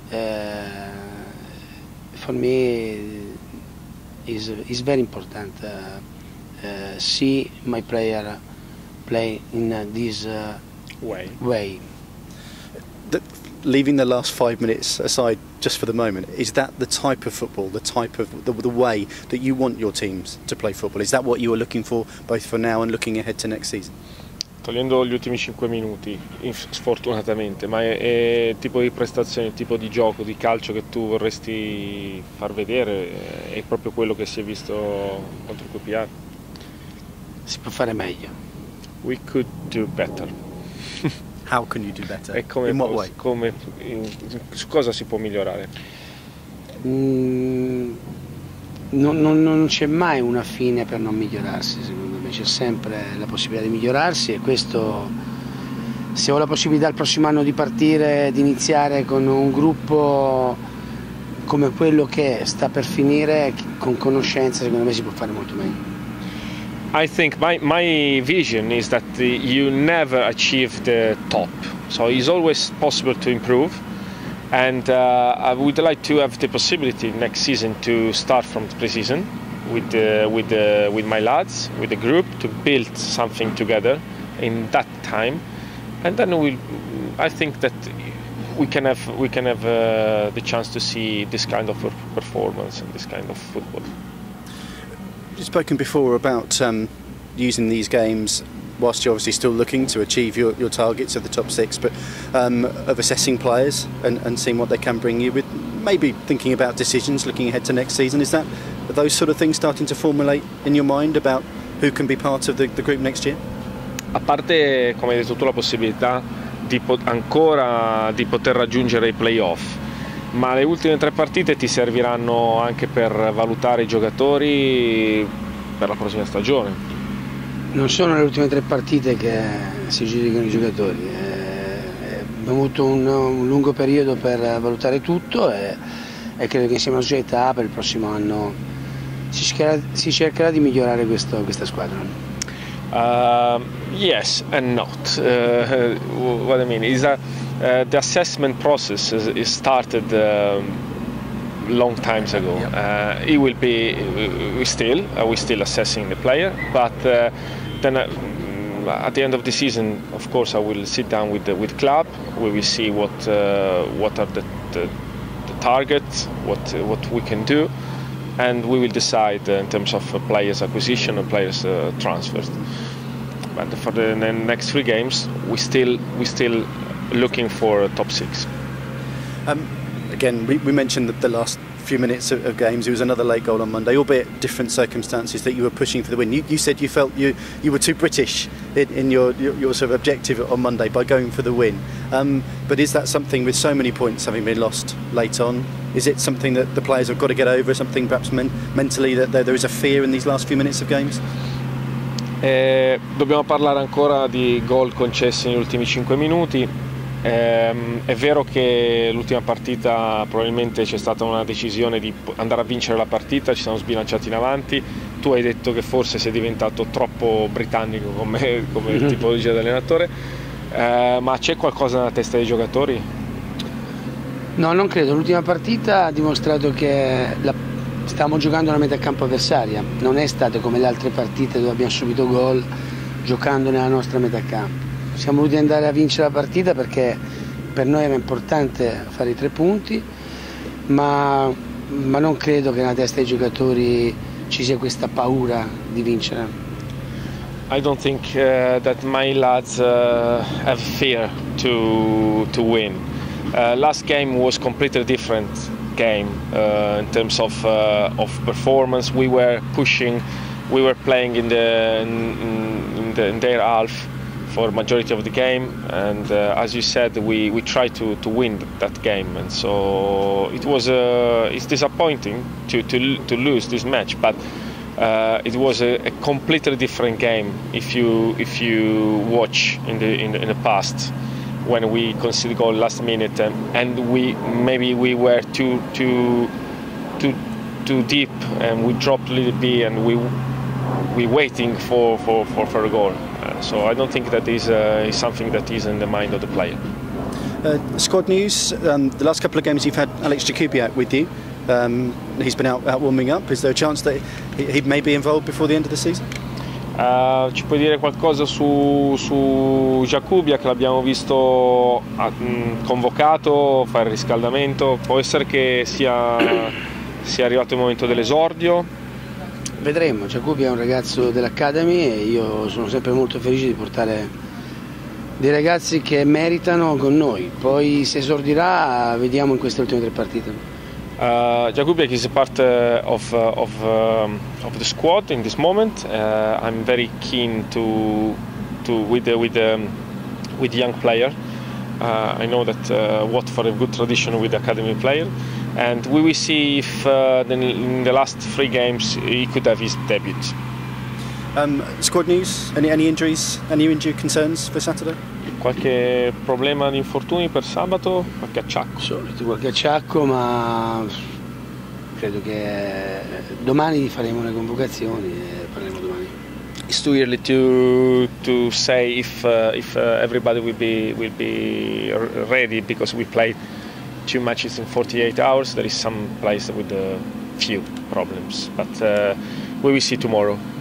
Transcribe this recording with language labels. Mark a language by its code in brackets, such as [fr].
[en] Mm-hmm. For me is very important see my player play in this way. Leaving the last 5 minutes aside just for the moment, is that the type of football, the type of the way that you want your teams to play football? Is that what you are looking for, both for now and looking ahead to next season? [it] Togliendo gli ultimi 5 minuti, sfortunatamente, ma è il tipo di prestazione, il tipo di gioco, di calcio che tu vorresti far vedere, è proprio quello che si è visto contro il QPR? Si può fare meglio. [en] We could do better. How can you do better? [it] E come [en] in what way? [it] Su cosa si può migliorare? Non c'è mai una fine per non migliorarsi, secondo me. C'è sempre la possibilità di migliorarsi e questo... Se ho la possibilità il prossimo anno di partire, di iniziare con un gruppo come quello che sta per finire, con conoscenza, secondo me si può fare molto meglio. [en] I think my vision is that you never achieve the top. So it's always possible to improve, And I would like to have the possibility next season to start from the pre-season with my lads, with the group, to build something together in that time. And then I think that we can have the chance to see this kind of performance and this kind of football. You've spoken before about using these games whilst you're obviously still looking to achieve your targets of the top six, but of assessing players and seeing what they can bring you, with maybe thinking about decisions looking ahead to next season. Is that, are those sort of things starting to formulate in your mind about who can be part of the group next year? [it] A parte, come hai detto tu, la possibilità di poter raggiungere i playoff, ma le ultime tre partite ti serviranno anche per valutare i giocatori per la prossima stagione. Non sono le ultime tre partite che si giudicano i giocatori. Abbiamo avuto un lungo periodo per valutare tutto e credo che insieme alla società per il prossimo anno si cercherà di migliorare questa squadra. [en] Yes and not. What I mean is that the assessment process is started long times ago. Yep. It will be we're still assessing the player, but then at the end of the season, of course, I will sit down with the club. We will see what are the targets, what we can do, and we will decide in terms of players acquisition and players transfers. And for the next three games, we're still looking for a top six. Again, we mentioned that the last few minutes of games, it was another late goal on Monday, albeit different circumstances, that you were pushing for the win. You said you felt you were too British in your sort of objective on Monday by going for the win. But is that something, with so many points having been lost late on, is it something that the players have got to get over, something perhaps mentally, that there is a fear in these last few minutes of games? [it] Dobbiamo parlare ancora di gol concessi negli ultimi 5 minuti. È vero che l'ultima partita probabilmente c'è stata una decisione di andare a vincere la partita, ci siamo sbilanciati in avanti. Tu hai detto che forse sei diventato troppo britannico come tipologia di allenatore, ma c'è qualcosa nella testa dei giocatori? No, non credo. L'ultima partita ha dimostrato che stavamo giocando nella metà campo avversaria, non è stato come le altre partite dove abbiamo subito gol giocando nella nostra metà campo. Siamo voluti andare a vincere la partita perché per noi era importante fare i tre punti, ma non credo che nella testa dei giocatori ci sia questa paura di vincere. [en] I don't think that my lads have fear to win. Last game was completely different game in terms of performance. We were pushing, we were playing in their half for majority of the game, and as you said, we tried to win that game, and so it was it's disappointing to lose this match, but it was a completely different game if you watch in the past when we conceded goal last minute and we were too deep and we dropped a little bit and we waiting for a goal. So I don't think that is something that is in the mind of the player. Squad news, the last couple of games you've had Alex Jakubiak with you. He's been out warming up. Is there a chance that he may be involved before the end of the season? [it] Ci puoi dire qualcosa su Jakubiak, che l'abbiamo visto convocato, fare il riscaldamento? Può essere che sia arrivato il momento dell'esordio? Vedremo. Jakubiak è un ragazzo dell'Academy e io sono sempre molto felice di portare dei ragazzi che meritano con noi. Poi se esordirà, vediamo in queste ultime tre partite. [en] Jakubiak is a part of the squad in this moment. I'm very keen to with young player. I know that what for a good tradition with academy player, and we will see if in the last three games he could have his debut. Squad news? Any injuries? Any injury concerns for Saturday? [it] Qualche problema di infortuni per sabato? Qualche acciacco? Solito qualche acciacco, ma credo che domani faremo le convocazioni e parleremo domani. [en] It's too early to say if everybody will be ready, because we played two matches in 48 hours, there is some players with a few problems, but we will see tomorrow.